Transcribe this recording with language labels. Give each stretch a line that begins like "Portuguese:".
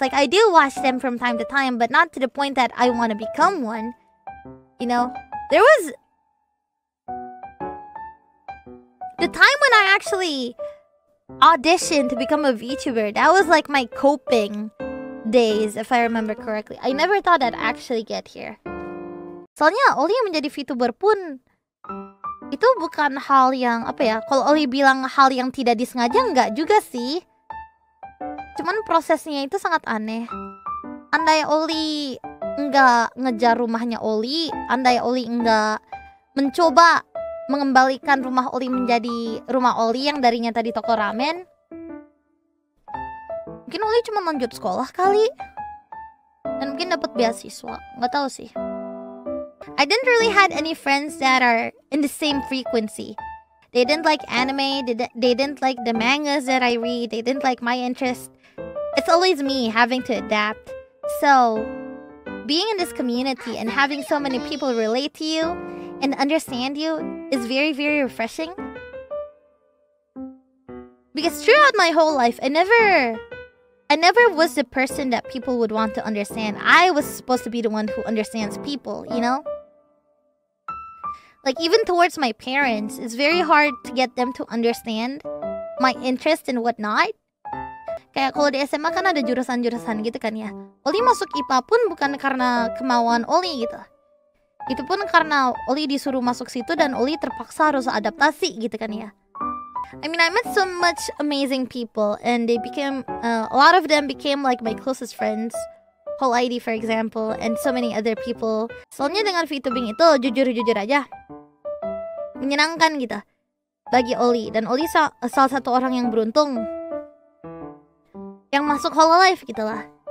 English: Like, I do watch them from time to time, but not to the point that I want to become one. You know? There was... the time when I actually auditioned to become a VTuber, that was like my coping days, if I remember correctly. I never thought I'd actually get here.
Indonesian: Soalnya, Oli menjadi VTuber pun... itu bukan hal yang apa ya, kalau Oli bilang hal yang tidak disengaja, enggak juga sih. Cuman prosesnya itu sangat aneh. Andai Oli enggak ngejar rumahnya Oli, andai Oli enggak mencoba mengembalikan rumah Oli menjadi rumah Oli yang darinya tadi toko ramen, mungkin Oli cuma lanjut sekolah kali dan mungkin dapat beasiswa, enggak tahu sih.
English: I didn't really had any friends that are in the same frequency. They didn't like anime, they didn't like the mangas that I read, they didn't like my interest. It's always me having to adapt. So, being in this community and having so many people relate to you and understand you is very, very refreshing. Because throughout my whole life, I never was the person that people would want to understand. I was supposed to be the one who understands people, you know? Like, even towards my parents, it's very hard to get them to understand my interest and whatnot.
Indonesian: Kayak kalau di SMA kan ada jurusan-jurusan gitu kan ya. Oli masuk IPA pun bukan karena kemauan Oli gitu. Itu pun karena Oli disuruh masuk situ dan Oli terpaksa harus adaptasi gitu kan ya.
English: I mean, I met so much amazing people and they became... a lot of them became like my closest friends. Holiday, for example, and so many other people.
Indonesian: Soalnya dengan VTubing itu, jujur-jujur aja, menyenangkan gitu bagi Oli. Dan Oli salah satu orang yang beruntung yang masuk Hololive gitu lah.